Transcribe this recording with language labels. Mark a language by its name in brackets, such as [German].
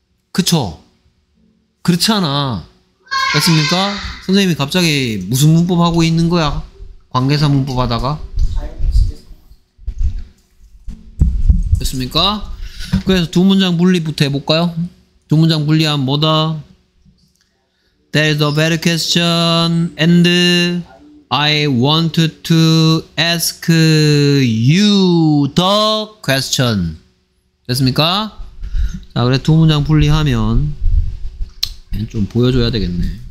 [Korean] 그쵸? 그렇잖아. 됐습니까? 선생님이 갑자기 무슨 문법 하고 있는 거야? 관계사 문법 하다가? 됐습니까? 그래서 두 문장 분리부터 해볼까요? 두 문장 분리하면 뭐다? [English] There is a better question and I want to ask you the question. [Korean] 됐습니까? 자, 그래 두 문장 분리하면 좀 보여줘야 되겠네.